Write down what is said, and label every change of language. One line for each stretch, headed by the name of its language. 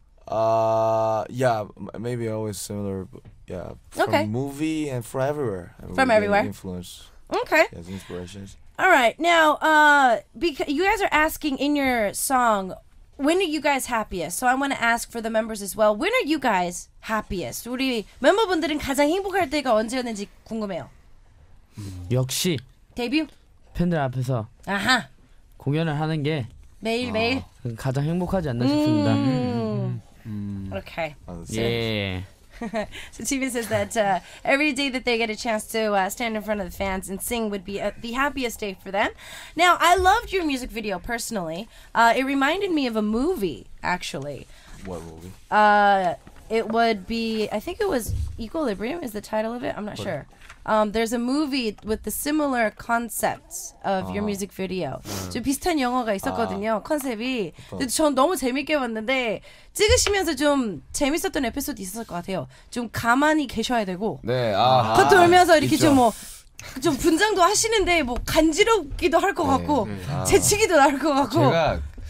English: Yeah, maybe always similar. Yeah, from okay. movie and from everywhere. From everywhere. Influence. Okay. Yes, inspirations. All right. Now, because you guys are asking in your song, when are you guys happiest? So I want to ask for the members as well. When are you guys happiest?
Korean: 우리 멤버분들은 가장 행복할 때가 언제였는지 궁금해요. 역시 데뷔 팬들 앞에서 아하. 공연을 하는 게 매일 매일 가장 행복하지 않나 싶습니다.
English: Okay. Yeah. So Jimin says that every day that they get a chance to stand in front of the fans and sing would be the happiest day for them. Now, I loved your music video personally. It reminded me of a movie, actually. What movie? It would be, I think it was Equilibrium is the title of it. I'm not what? Sure. There's a movie with the similar concepts of your music video.
Korean: 좀 비슷한 영화가 있었거든요. 컨셉이. 근데 전 너무 재밌게 봤는데 찍으시면서 좀 재밌었던 에피소드 있었을 것 같아요. 좀 가만히 계셔야 되고. 네. 돌면서 이렇게 좀 뭐 좀 분장도 하시는데 뭐 간지럽기도 할 것 같고 재치기도 날 것 같고.